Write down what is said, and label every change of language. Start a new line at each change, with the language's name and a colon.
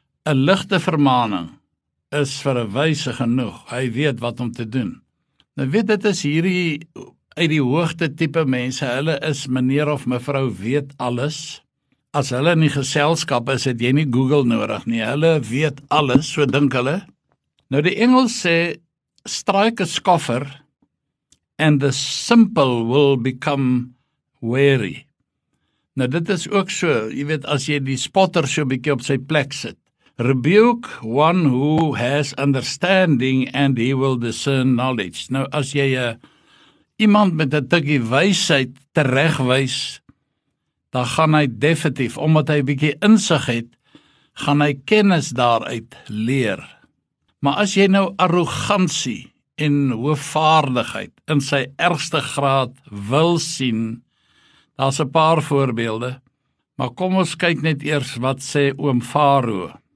Afrikaans: 'N ligte vermaning is vir 'n wyse genoeg, hy weet wat om te doen. Nou weet, dit is hierdie, uit die hoogte type mense, hulle is meneer of mevrou weet alles. As hulle nie geselskap is, het jy nie Google nodig nie. Hulle weet alles, so dink hulle. Nou die Engels sê,
English: strike a scoffer, and the simple will become wary.
Afrikaans: Nou dit is ook so, jy weet, as jy die spotter so bietjie op sy plek sit.
English: Rebuke one who has understanding, and he will discern knowledge.
Afrikaans: Nou as jy iemand met 'n tikkie wysheid teregwys, dan gaan hy definitief, omdat hy 'n bietjie insig het, gaan hy kennis daaruit leer. Maar as jy nou arrogansie en hoofvaardigheid in sy ergste graad wil sien, daar's 'n paar voorbeelde, maar kom ons kyk net eers wat sê oom Farao.